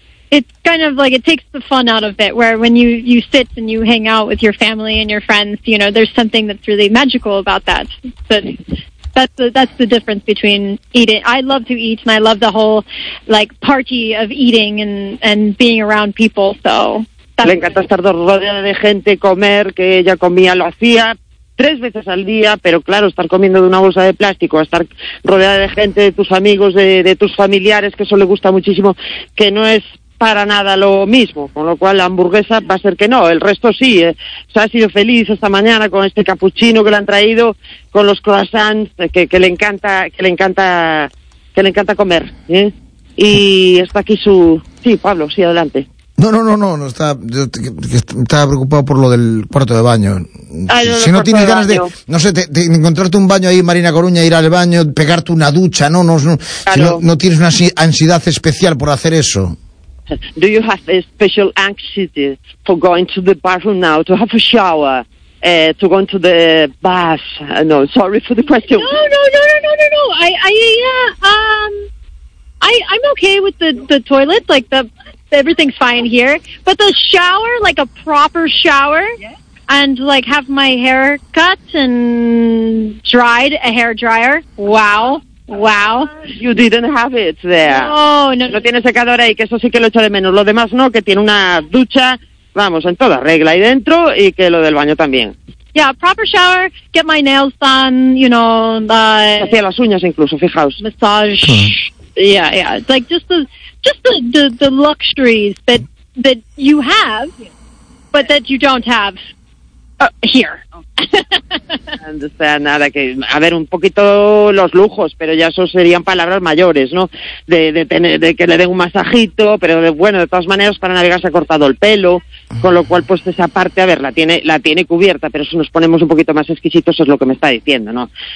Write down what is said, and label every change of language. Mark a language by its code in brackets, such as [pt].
[en] It's kind of like it takes the fun out of it, where when you sit and you hang out with your family and your friends, you know, there's something that's really magical about that. But that's the difference between eating. I love to eat, and I love the whole, like, party of eating and being around people, so. [es] Le encanta estar rodeada de gente, comer, que ella comía, lo hacía. Tres veces al día, pero claro, estar comiendo de una bolsa de plástico, estar rodeada de gente, de tus amigos, de tus familiares, que eso le gusta muchísimo, que no es para nada lo mismo, con lo cual la hamburguesa va a ser que no, el resto sí. Se ha sido feliz esta mañana con este cappuccino que le han traído, con los croissants, que le encanta comer, ¿eh? Y está aquí su... Sí, Pablo, sí, adelante. No, estaba preocupado por lo del cuarto de baño. Si no tienes ganas de encontrarte un baño ahí en Marina Coruña, ir al baño, pegarte una ducha, no. Claro. Si no tienes una ansiedad especial por hacer eso. [en] Do you have a special anxiety for going to the bathroom now to have a shower? To go into the bath? No, sorry for the question. No. I'm okay with the toilet, like the. Everything's fine here, but the shower, like a proper shower, yes. And like have my hair cut and dried, a hair dryer. Wow. You didn't have it there. Oh, no. [es] No tiene secadora y que eso sí que lo echo de menos. Lo demás no, que tiene una ducha, vamos, en toda regla ahí dentro y que lo del baño también. [en] Yeah, proper shower, get my nails done, you know. [es] Hacía las uñas incluso, fijaos. [en] Massage. Yeah. It's like just the luxuries that you have, but that you don't have here. [es] O sea, nada, que a ver, un poquito los lujos, pero ya eso serían palabras mayores, ¿no? De tener, de que le den un masajito, pero de, bueno, de todas maneras, para navegar se ha cortado el pelo, con lo cual, pues esa parte, a ver, la tiene cubierta, pero si nos ponemos un poquito más exquisitos es lo que me está diciendo, ¿no?